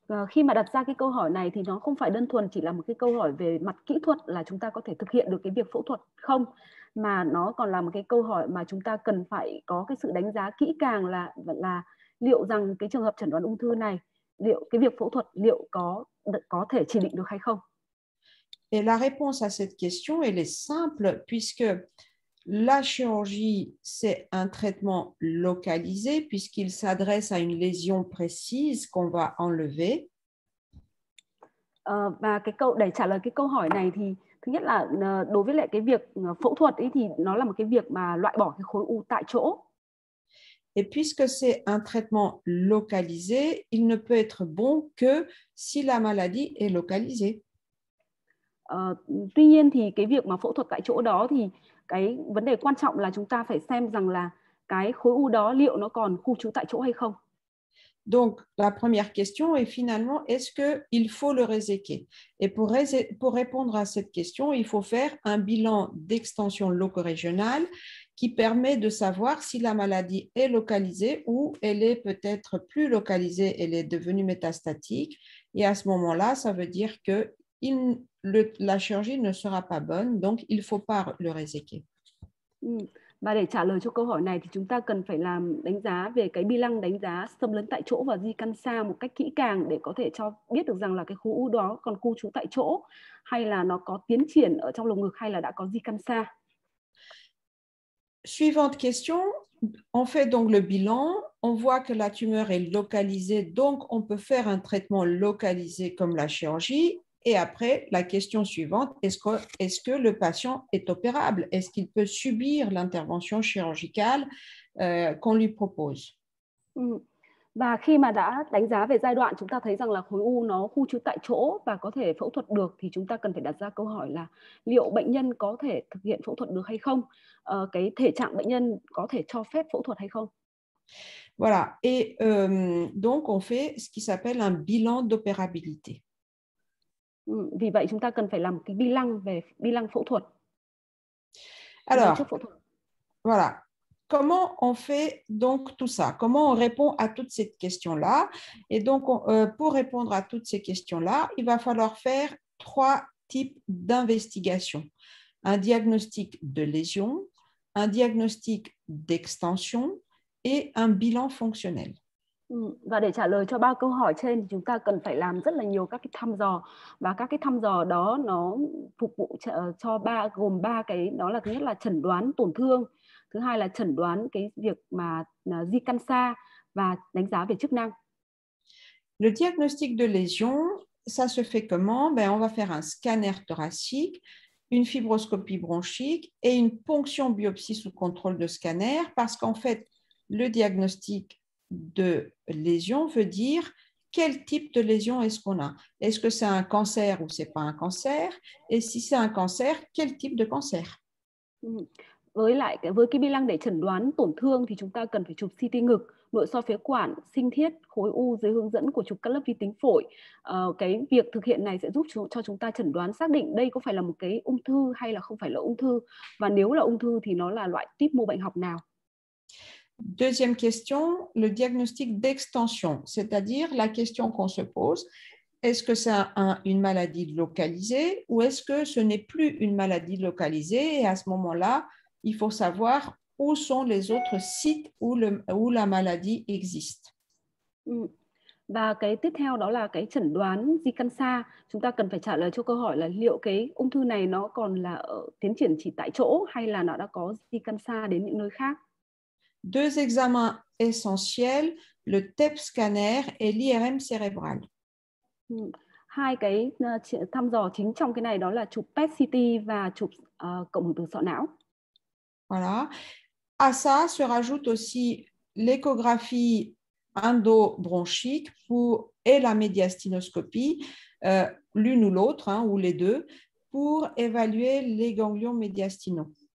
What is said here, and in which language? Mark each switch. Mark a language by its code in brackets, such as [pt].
[vi] Khi mà đặt ra cái câu hỏi này thì nó không phải đơn thuần chỉ là một cái câu hỏi về mặt kỹ thuật là chúng ta có thể thực hiện được cái việc phẫu thuật không, mà nó còn là một cái câu hỏi mà chúng ta cần phải có cái sự đánh giá kỹ càng là liệu rằng cái trường hợp chẩn đoán ung thư này, liệu cái việc phẫu thuật liệu có thể chỉ định được hay không? [fr] Et la réponse à cette question, elle est simple, puisque la chirurgie, c'est un traitement localisé, puisqu'il s'adresse à une lésion précise qu'on va enlever. [vi] Và cái câu để trả lời cái câu hỏi này thì thứ nhất là đối với lại cái việc phẫu thuật ấy thì nó là một cái việc mà loại bỏ cái khối u tại chỗ. [fr] Et puisque c'est un traitement localisé, il ne peut être bon que si la maladie est localisée. [vi] Tuy nhiên thì cái việc mà phẫu thuật tại chỗ đó thì cái vấn đề quan trọng là chúng ta phải xem rằng là cái khối u đó liệu nó còn khu trú tại chỗ hay không. [fr] Donc, la première question est finalement, est-ce qu'il faut le réséquer? Et pour répondre à cette question, il faut faire un bilan d'extension loco-régionale qui permet de savoir si la maladie est localisée ou elle est peut-être plus localisée, elle est devenue métastatique. Et à ce moment-là, ça veut dire que la chirurgie ne sera pas bonne, donc il ne faut pas le réséquer. [vi] Và để trả lời cho câu hỏi này thì chúng ta cần phải làm đánh giá về cái bi lăng đánh giá xâm lấn tại chỗ và di căn xa một cách kỹ càng để có thể cho biết được rằng là cái khối u đó còn khu trú tại chỗ hay là nó có tiến triển ở trong lồng ngực hay là đã có di căn xa. [fr] Suivante question, on fait donc le bilan, on voit que la tumeur est localisée, donc on peut faire un traitement localisé comme la chirurgie. Et après, la question suivante, est-ce que le patient est opérable? Est-ce qu'il peut subir l'intervention chirurgicale qu'on lui propose? [vi] Và khi mà đã đánh giá về giai đoạn, chúng ta thấy rằng là khối u nó khu trú tại chỗ và có thể phẫu thuật được, thì chúng ta cần phải đặt ra câu hỏi là liệu bệnh nhân có thể thực hiện phẫu thuật được hay không? Cái thể trạng bệnh nhân có thể cho phép phẫu thuật hay không? [fr] Voilà, et donc on fait ce qui s'appelle un bilan d'opérabilité. [vi] Vì vậy chúng ta cần phải làm một cái bi lăng phẫu thuật. [fr] Alors, [vi] phẫu thuật. [fr] Voilà. Comment on fait donc tout ça? Comment on répond à toutes ces questions-là? Et donc, pour répondre à toutes ces questions-là, il va falloir faire trois types d'investigation. Un diagnostic de lésion, un diagnostic d'extension et un bilan fonctionnel. [vi] Và để trả lời cho ba câu hỏi trên thì chúng ta cần phải làm rất là nhiều các cái thăm dò và các cái thăm dò đó nó phục vụ cho ba gồm ba cái đó là thứ nhất là chẩn đoán tổn thương, thứ hai là chẩn đoán cái việc mà di căn xa và đánh giá về chức năng. [fr] Le diagnostic de lésion, ça se fait comment? Ben on va faire un scanner thoracique, une fibroscopie bronchique et une ponction biopsie sous contrôle de scanner parce qu'en fait le diagnostic de lésion veut dire quel type de lésion est-ce qu'on a? Est-ce que c'est un cancer ou c'est pas un cancer? Et si c'est un cancer, quel type de cancer? [vi] Với cái bi lăng để chẩn đoán tổn thương thì chúng ta cần phải chụp CT ngực, nội soi phế quản, sinh thiết, khối u dưới hướng dẫn của chụp cắt lớp vi tính phổi. Cái việc thực hiện này sẽ giúp cho chúng ta chẩn đoán xác định đây có phải là một cái ung thư hay là không phải là ung thư và nếu là ung thư thì nó là loại tiếp mô bệnh học nào. [fr] Deuxième question, le diagnostic d'extension, c'est-à-dire la question qu'on se pose, est-ce que c'est une maladie localisée ou est-ce que ce n'est plus une maladie localisée? Et à ce moment-là, il faut savoir où sont les autres sites où la maladie existe. [vi] Và cái tiếp theo đó là cái chẩn đoán di căn xa. Chúng ta cần phải trả lời cho câu hỏi là liệu cái ung thư này nó còn là tiến triển chỉ tại chỗ hay là nó đã có di căn xa đến những nơi khác? [fr] Deux examens essentiels, le TEP scanner et l'IRM cérébral. [vi] Hai cái thăm dò chính trong cái này đó là chụp PET CT và chụp cộng hưởng từ sọ não. [fr] Voilà. À ça se rajoute aussi l'échographie endobronchique et la médiastinoscopie, l'une ou l'autre, hein, ou les deux, pour évaluer les ganglions médiastinaux.